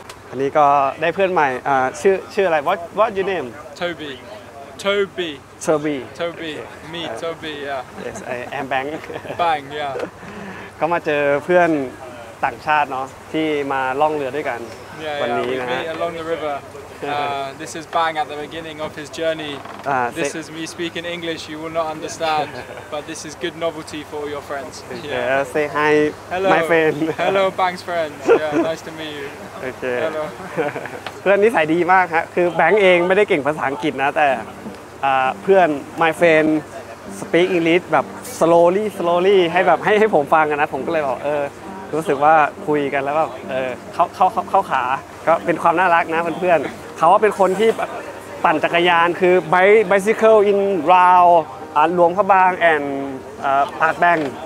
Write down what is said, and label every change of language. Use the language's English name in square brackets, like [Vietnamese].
[Thai] อันนี้ก็ได้เพื่อนใหม่ชื่ออะไร [English] What's your name? Toby. Okay. Me Toby. Yeah. Yes, I am Bang. Bang, yeah. [Thai] ก็มาเจอเพื่อนต่างชาติเนาะที่มาล่องเรือด้วยกันวัน นี้นะฮะ [English] along the river this is Bang at the beginning of his journey this is me speaking English you will not understand but this is good novelty for your friends yeah say hi hello. my friend hello Bang's friend yeah nice to meet you [Thai] okay hello เพื่อนนิสัยดีมากฮะคือแบงค์เองไม่ได้เก่งภาษาอังกฤษนะแต่เพื่อน [English] my friend speak English [Thai] แบบ slowly ให้ผมฟังนะผมก็เลยบอกรู้สึกว่าคุยกันแล้วแบบเข้าขาก็เป็นความน่ารักนะเพื่อนๆเขาว่าเป็นคนที่ปั่นจักรยานคือ [English] bicycle in Rao [Thai] หลวงพระบางแอนปากแบง